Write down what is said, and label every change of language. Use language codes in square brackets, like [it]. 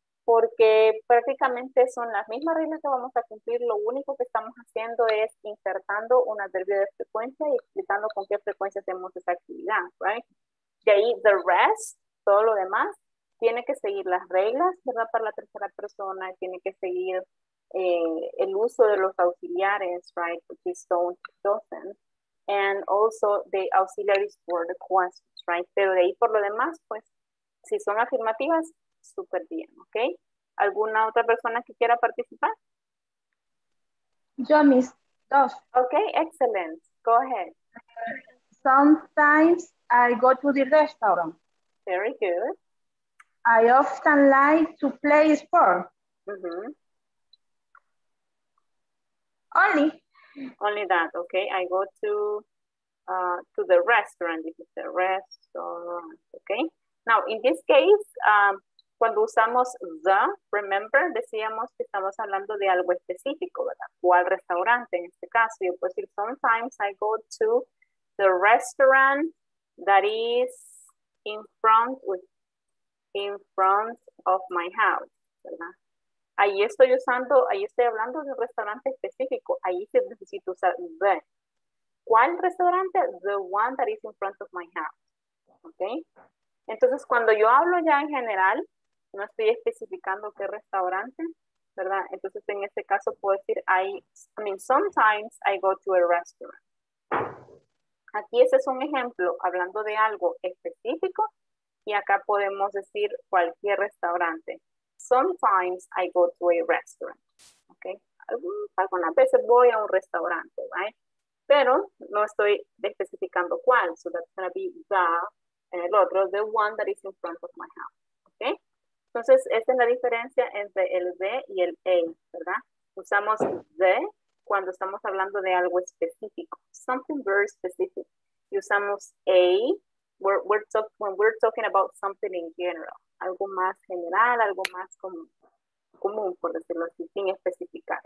[es] Porque prácticamente son las mismas reglas que vamos a cumplir, lo único que estamos haciendo es insertando un adverbio de frecuencia y explicando con qué frecuencia hacemos esa actividad, right? De ahí, [en] the rest, [es] todo lo demás, tiene que seguir las reglas, ¿verdad? Para la tercera persona, tiene que seguir el uso de los auxiliares, right? [en] Which is don't, doesn't. And also the auxiliaries for the questions, right? [es] Pero de ahí por lo demás, pues, si son afirmativas, súper bien, ¿ok? ¿Alguna otra persona que quiera participar? Yo, mis dos. [en] Ok, excellent. Go ahead. Sometimes I go to the restaurant. Very good. I often like to play sport. Mm-hmm. Only. Only that, okay. I go to the restaurant. This is the restaurant, okay. Now, in this case, [es] cuando usamos the, remember, decíamos que estamos hablando de algo específico, ¿verdad? ¿Cuál restaurante en este caso? Yo puedo decir, [en] sometimes I go to the restaurant that is in front with in front of my house, [es] ¿verdad? Ahí estoy usando, ahí estoy hablando de un restaurante específico. Ahí sí necesito usar the. ¿Cuál restaurante? [en] The one that is in front of my house. ¿Ok? [es] Entonces, cuando yo hablo ya en general, no estoy especificando qué restaurante, ¿verdad? Entonces, en este caso puedo decir, [en] I mean, sometimes I go to a restaurant. [es] Aquí ese es un ejemplo, hablando de algo específico, y acá podemos decir cualquier restaurante. [en] Sometimes I go to a restaurant. ¿Okay? [es] Algunas veces voy a un restaurante, [en] right? [es] Pero no estoy especificando cuál. [en] So that's going to be the, [es] en el otro, [en] the one that is in front of my house. ¿Okay? [es] Entonces, esta es la diferencia entre el de y el a, ¿verdad? Usamos de cuando estamos hablando de algo específico. [en] Something very specific. [es] Y usamos a. [en] When we're talking about something in general, [es] algo más general, algo más común, por decirlo así, sin especificar.